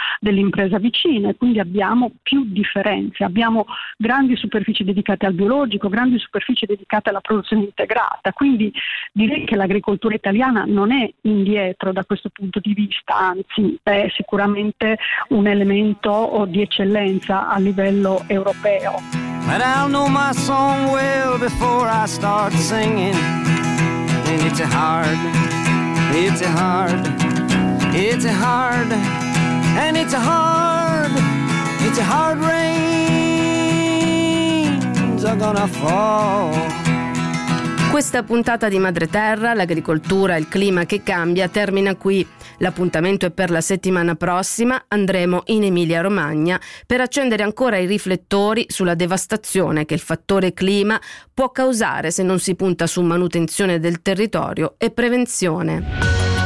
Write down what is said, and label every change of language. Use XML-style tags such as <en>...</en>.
<it>dell'impresa vicina e quindi abbiamo più differenze, abbiamo grandi superfici dedicate al biologico, grandi superfici dedicate alla produzione integrata, quindi direi che l'agricoltura italiana non è indietro da questo punto di vista, anzi è sicuramente un elemento di eccellenza a livello europeo.</it> <en>And I'll know my song well before I start singing. And it's a hard, it's a hard, it's a hard, and it's a hard, it's a hard rains are gonna fall.</en> <it>Questa puntata di Madre Terra, l'agricoltura, il clima che cambia, termina qui. L'appuntamento è per la settimana prossima. Andremo in Emilia-Romagna per accendere ancora i riflettori sulla devastazione che il fattore clima può causare se non si punta su manutenzione del territorio e prevenzione.</it>